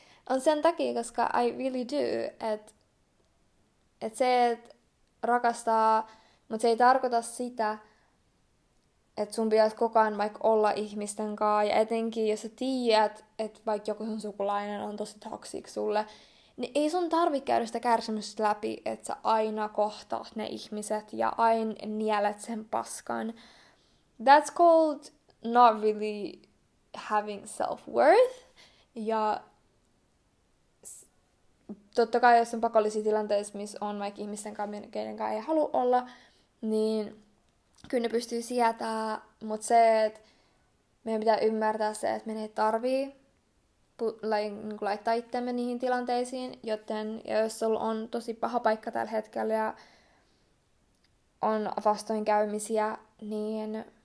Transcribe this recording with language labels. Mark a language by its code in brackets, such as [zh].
[fi] On sen takia, koska [en] I really do, [fi] että se, että rakastaa, mutta se ei tarkoita sitä, että sun pitäisi koko ajan vaikka olla ihmisten kanssa, ja etenkin jos sä tiedät, että vaikka joku sun sukulainen on tosi toksik sulle, niin ei sun tarvi käydä sitä kärsimystä läpi, että sä aina kohtaat ne ihmiset ja aina nielet sen paskan. [en] That's called not really having self-worth. [fi] Ja totta kai jos on pakollisia tilanteissa, missä on vaikka ihmisten kanssa, keiden kanssa ei halua olla, niin kyllä ne pystyy sietämään, mutta se, että meidän pitää ymmärtää se, että me ei tarvii laittaa itseämme niihin tilanteisiin, joten jos sulla on tosi paha paikka tällä hetkellä ja on vastoinkäymisiä, niin